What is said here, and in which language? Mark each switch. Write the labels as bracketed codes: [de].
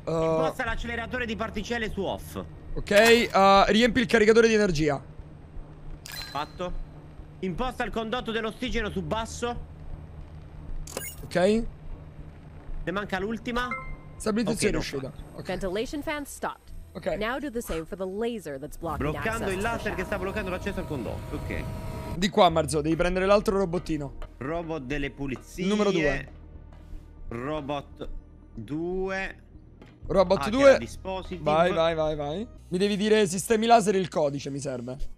[it] Imposta l'acceleratore di particelle su off. Ok. Riempi il caricatore di energia. Fatto. Imposta il condotto dell'ossigeno su basso. Ok. Ne manca l'ultima. Stabilizzazione riuscita. [en] Okay. Ventilation fan stopped. Ok. Now do the same for the laser that's blocking access. [it] Bloccando il laser che sta bloccando l'accesso al condotto. Ok. Di qua, Marzo, devi prendere l'altro robottino. Robot delle pulizie. Numero 2. Robot 2. Robot 2. Vai. Mi devi dire sistemi laser il codice, mi serve.